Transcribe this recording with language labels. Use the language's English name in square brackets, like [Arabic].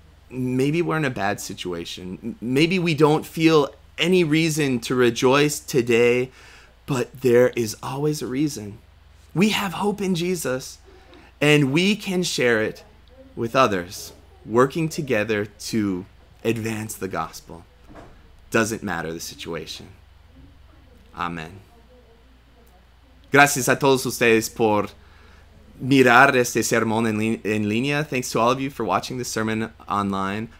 [English] Maybe we're in a bad situation. Maybe we don't feel any reason to rejoice today, but there is always a reason. We have hope in Jesus, and we can share it with others, working together to advance the gospel. Doesn't matter the situation. Amen. [Spanish] Gracias a todos ustedes por mirar este sermón en línea. [English] Thanks to all of you for watching this sermon online.